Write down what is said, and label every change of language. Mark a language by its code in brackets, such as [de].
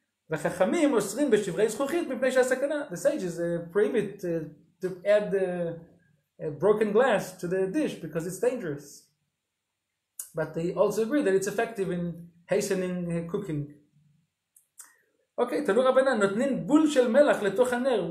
[he] וחכמים אוסרים בשברי זכוכית מפני שהסכנה. [en] The sages prohibit to add a broken glass to the dish because it's dangerous. But they also agree that it's effective in hastening cooking. [he] Okay, תנו רבנן, נותנים בול של מלח לתוך הנר.